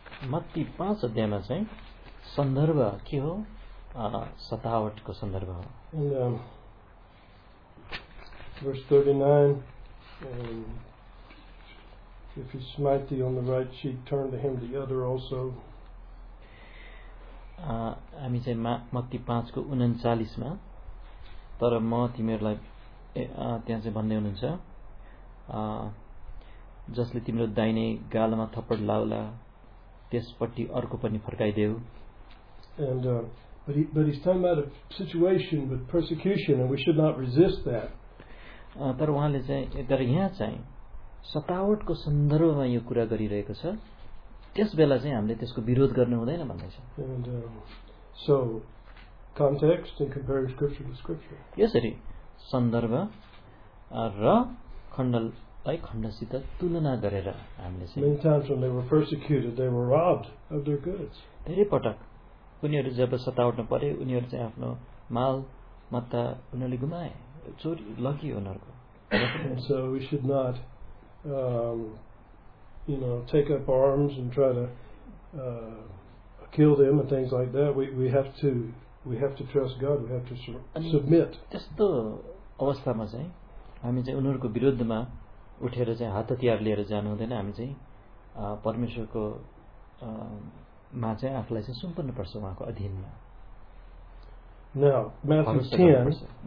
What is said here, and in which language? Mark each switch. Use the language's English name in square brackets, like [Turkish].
[Nepali] मत्ती पाँच अध्यायमा चाहिँ सन्दर्भ के हो सतावटको सन्दर्भ हो [English] verse 39 if you smite thee on the right cheek turn to him the other also [Nepali] हामी चाहिँ मत्ती पाँचको उन्चालिसमा तर म तिमीहरूलाई त्यहाँ चाहिँ भन्दै हुनुहुन्छ जसले तिम्रो दाहिने गालमा थप्पड लाउला त्यसपट्टि अर्को पनि फर्काइदेऊ [English] and but he's talking about a situation with persecution and we should not resist that [Nepali] तर उहाँले चाहिँ तर यहाँ चाहिँ सतावटको सन्दर्भमा यो कुरा गरिरहेको छ त्यस बेला चाहिँ हामीले त्यसको विरोध गर्नु हुँदैन भन्दैछ [English] so context and compare scripture to scripture [Nepali] यसरी सन्दर्भ र खण्डल लाई खण्डसित तुलना गरेर हामीले [English] many times when they were persecuted they were robbed of their goods [Nepali] धेरै पटक उनीहरू जब सताउन परे उनीहरू चाहिँ आफ्नो माल मत्ता उनीहरूले गुमाए चोरी लगियो उनीहरूको [English] so we should not you know take up arms and try to kill them and things like that we have to trust God we have to submit [Nepali] त्यस्तो अवस्थामा चाहिँ हामी चाहिँ उनीहरूको विरुद्धमा उठेर चाहिँ हात हतियार लिएर जानु हुँदैन हामी चाहिँ परमेश्वरको मा चाहिँ आफूलाई चाहिँ सुम्पनु पर्छ उहाँको अधीनमा [English] Now, Matthew 10.